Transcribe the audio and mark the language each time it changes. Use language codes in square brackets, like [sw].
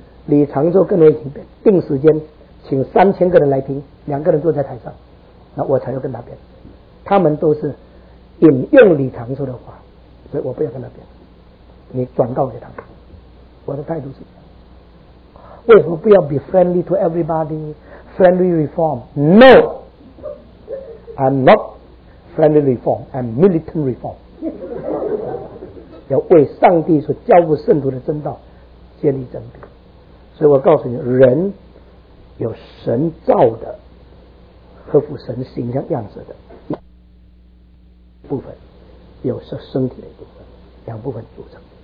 [zh] 李长寿跟人请辩，定时间请3000个人来听，两个人坐在台上，那我才要跟他辩。他们都是引用李长寿的话，所以我不要跟他辩。你转告给他们，我的态度是这样。为什么不要 [en] be friendly to everybody, friendly reform? No, I'm not friendly reform, I'm militant reform. [zh] 要为上帝所教过圣徒的真道建立真理。所以我告诉你，人有神造的合乎神形象样式的部分，有是身体的一部分，两部分组成。